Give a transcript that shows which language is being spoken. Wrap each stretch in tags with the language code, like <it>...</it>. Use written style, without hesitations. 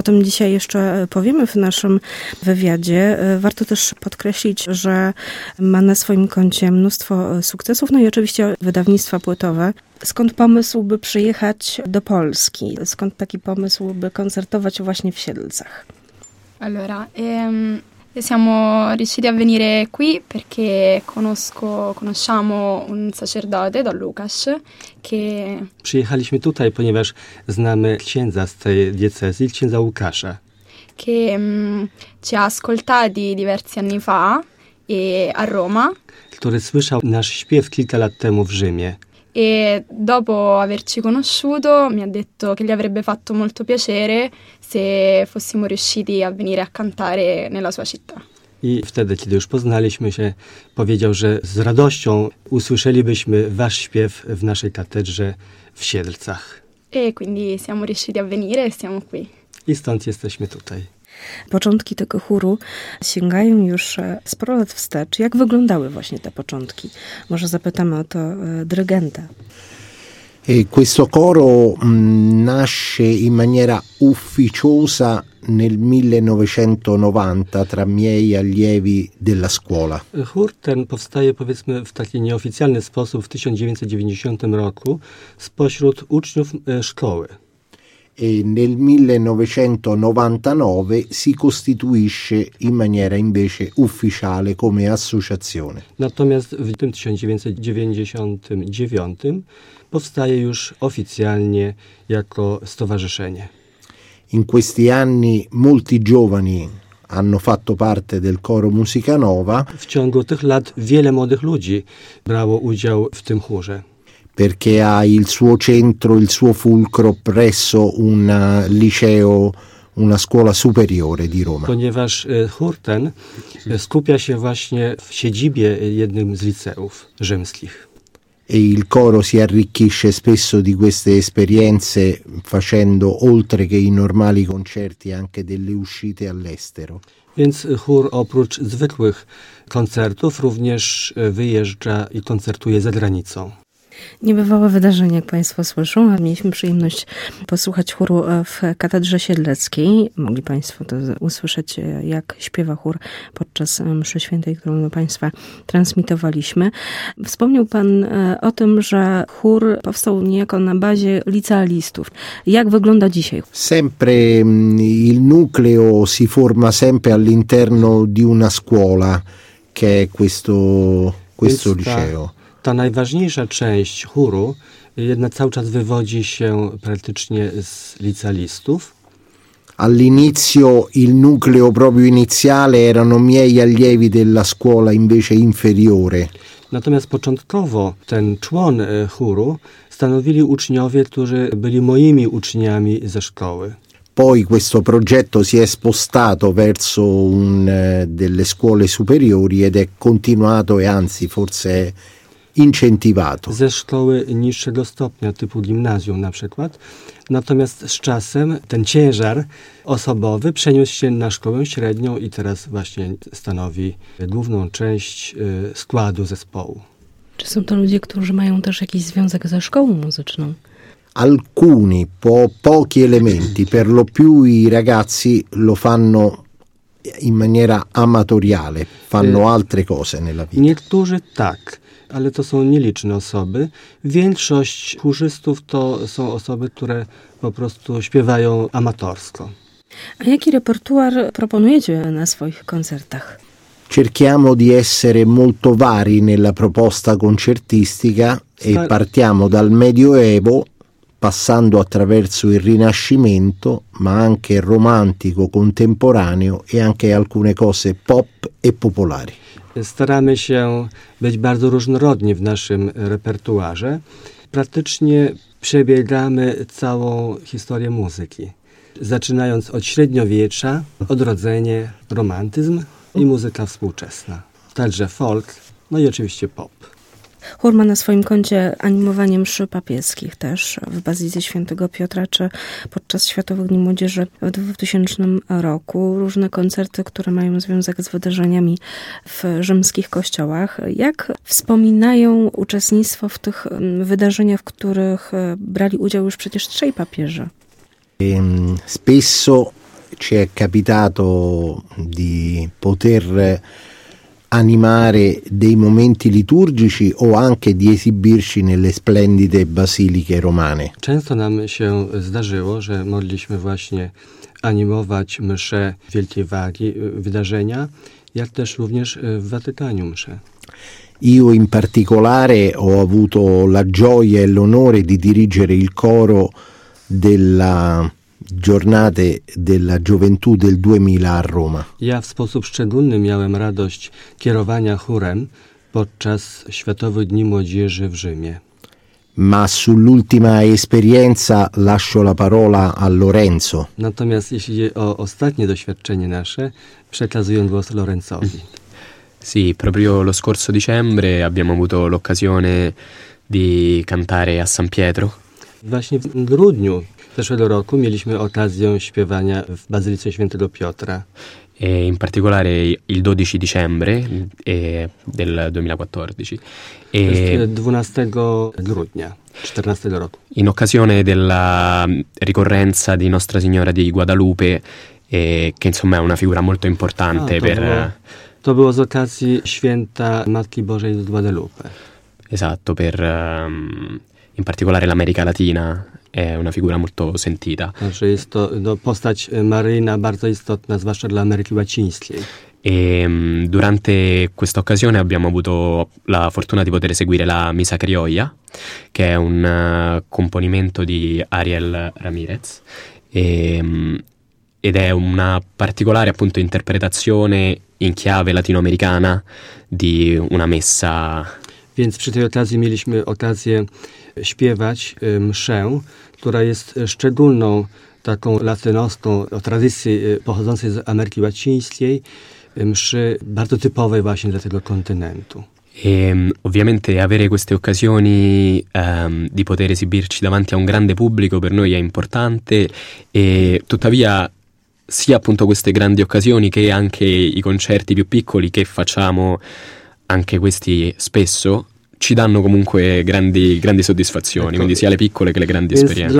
<pl>O tym dzisiaj jeszcze powiemy w naszym wywiadzie. Warto też podkreślić, że ma na swoim koncie mnóstwo sukcesów, no i oczywiście wydawnictwa płytowe. Skąd pomysł, by przyjechać do Polski? Skąd taki pomysł, by koncertować właśnie w Siedlcach?</pl> <it>Allora, siamo riusciti a venire qui perché conosciamo un sacerdote, Don Lucas, che...</it> <pl>Przyjechaliśmy tutaj, ponieważ znamy księdza z tej diecezji, księdza Łukasza.</pl> <it>Che ci ha ascoltati diversi anni fa e a Roma.</it> <pl>Który słyszał nasz śpiew kilka lat temu w Rzymie.</pl> <it>E dopo averci conosciuto mi ha detto che gli avrebbe fatto molto piacere se fossimo riusciti a venire a cantare nella sua città.</it> <pl>I wtedy, kiedy już poznaliśmy się, powiedział, że z radością usłyszelibyśmy wasz śpiew w naszej katedrze w Siedlcach.</pl> <it>E quindi siamo riusciti a venire e siamo qui.</it> <pl>I stąd jesteśmy tutaj. Początki tego chóru sięgają już sporo lat wstecz. Jak wyglądały właśnie te początki? Może zapytamy o to dyrygenta.</pl> <it>E questo coro nasce in maniera ufficiosa nel 1990 tra miei allievi della scuola.</it> <pl>Chór ten powstaje powiedzmy w taki nieoficjalny sposób w 1990 roku spośród uczniów szkoły.</pl> <it>E nel 1999 si costituisce in maniera invece ufficiale come associazione.</it> <pl>Natomiast w 1999 powstaje już oficjalnie jako stowarzyszenie.</pl> <it>In questi anni molti giovani hanno fatto parte del coro Musica Nova.</it> <pl>W ciągu tych lat wiele młodych ludzi brało udział w tym chórze.</pl> <it>Perché ha il suo centro, il suo fulcro presso un liceo, una scuola superiore di Roma.</it> <pl>Ponieważ chór ten skupia się właśnie w siedzibie jednym z liceów rzymskich.</pl> <it>E il coro si arricchisce spesso di queste esperienze facendo oltre che i normali concerti anche delle uscite all'estero.</it> <pl>Więc chór oprócz zwykłych koncertów również wyjeżdża i koncertuje za granicą. Niebywałe wydarzenie, jak Państwo słyszą. Mieliśmy przyjemność posłuchać chóru w katedrze siedleckiej. Mogli Państwo to usłyszeć, jak śpiewa chór podczas mszy świętej, którą do Państwa transmitowaliśmy. Wspomniał Pan o tym, że chór powstał niejako na bazie licealistów. Jak wygląda dzisiaj?</pl> <it>Sempre il nucleo si forma sempre all'interno di una scuola, che è questo liceo.</it> <pl>Ta najważniejsza część chóru jednak cały czas wywodzi się praktycznie z licealistów.</pl> <it>All'inizio il nucleo proprio iniziale erano miei allievi della scuola invece inferiore.</it> <pl>Natomiast początkowo ten człon chóru stanowili uczniowie, którzy byli moimi uczniami ze szkoły.</pl> <it>Poi questo progetto si è spostato verso delle scuole superiori ed è continuato e anzi forse incentivato.</it> <pl>Ze szkoły niższego stopnia, typu gimnazjum na przykład. Natomiast z czasem ten ciężar osobowy przeniósł się na szkołę średnią i teraz właśnie stanowi główną część składu zespołu. Czy są to ludzie, którzy mają też jakiś związek ze szkołą muzyczną?</pl> <it>Alcuni, po pochi elementi, per lo più i ragazzi lo fanno in maniera amatoriale, fanno altre cose nella vita.</it> <pl>Niektórzy tak. Ale to są nieliczne osoby. Większość chórzystów to są osoby, które po prostu śpiewają amatorsko. A jaki repertuar proponujecie na swoich koncertach?</pl> <it>Cerchiamo di essere molto vari nella proposta concertistica e partiamo dal Medioevo, passando attraverso il Rinascimento, ma anche romantico, contemporaneo e anche alcune cose pop e popolari.</it> <pl>Staramy się być bardzo różnorodni w naszym repertuarze. Praktycznie przebiegamy całą historię muzyki. Zaczynając od średniowiecza, odrodzenie, romantyzm i muzyka współczesna. Także folk, no i oczywiście pop. Chór ma na swoim koncie animowanie mszy papieskich też w Bazylice Świętego Piotra czy podczas Światowych Dni Młodzieży w 2000 roku. Różne koncerty, które mają związek z wydarzeniami w rzymskich kościołach. Jak wspominają uczestnictwo w tych wydarzeniach, w których brali udział już przecież trzej papieże?</pl> <it>Spesso ci è capitato di poter animare dei momenti liturgici o anche di esibirci nelle splendide basiliche romane.</it> <pl>Często nam się zdarzyło, że mogliśmy właśnie animować msze wielkiej wagi, wydarzenia, jak też również w Watykaniu msze.</pl> <it>Io in particolare ho avuto la gioia e l'onore di dirigere il coro della giornate della gioventù del 2000 a Roma.</it> <pl>Ja w sposób szczególny miałem radość kierowania chórem podczas Światowych Dni Młodzieży w Rzymie.</pl> <it>Ma sull'ultima esperienza lascio la parola a Lorenzo.</it> <pl>Natomiast jeśli chodzi o ostatnie doświadczenie nasze, przekazuję głos Lorenzowi.</pl> <it>Sì, proprio lo scorso dicembre abbiamo avuto l'occasione di cantare a San Pietro.</it> <pl>Właśnie w grudniu zeszłego roku mieliśmy okazję śpiewania w Bazylice Świętego Piotra.</pl> <it>E in particolare il 12 dicembre del 2014.</it> <pl>E 12 grudnia 14 roku.</pl> <it>In occasione della ricorrenza di Nostra Signora di Guadalupe, che insomma è una figura molto importante per...</it> <pl>To było z okazji święta Matki Bożej z Guadalupe.</pl> <it>Esatto, per in particolare l'America Latina. È una figura molto sentita.</it> <pl>Znaczy jest to postać maryjna bardzo istotna, zwłaszcza dla Ameryki Łacińskiej.</pl> <it>E durante questa occasione abbiamo avuto la fortuna di poter seguire la Misa Criolla, che è un componimento di Ariel Ramirez, ed è una particolare appunto interpretazione in chiave latinoamericana di una messa.</it> <pl>Więc przy tej okazji mieliśmy okazję śpiewać mszę, która jest szczególną taką latynoską o tradycji pochodzącej z Ameryki Łacińskiej, mszy bardzo typowej właśnie dla tego kontynentu.</pl> <it>Ovviamente avere queste occasioni di poter esibirci davanti a un grande pubblico per noi è importante e tuttavia sia appunto queste grandi occasioni che anche i concerti più piccoli che facciamo anche questi spesso ci danno comunque grandi soddisfazioni, ecco, quindi sia le piccole che le grandi esperienze.</it>